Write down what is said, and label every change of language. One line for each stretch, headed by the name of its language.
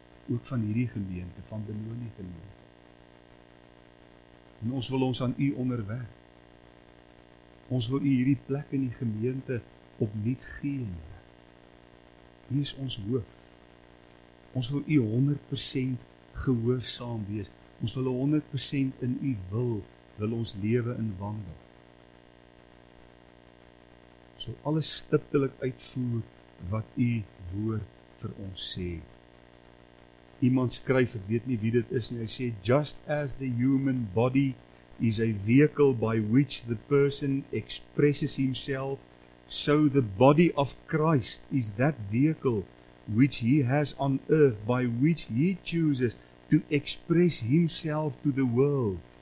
Afrikaans: Ook van hierdie gemeente, van Benoni gemeente. En ons wil ons aan U onderwerp. Ons wil U hierdie plek in die gemeente opnuut gee. U is ons hoof. Ons wil U 100% gehoorsaam wees. Ons wil 100% in U wil ons lewe in wandel. So alles stiptelik uitvoer wat U woord vir ons sê. Iemand skryf, ek weet nie wie dit is, en hy sê,
English: just as the human body is a vehicle by which the person expresses himself, so the body of Christ is that vehicle which he has on earth, by which he chooses to express himself to the world.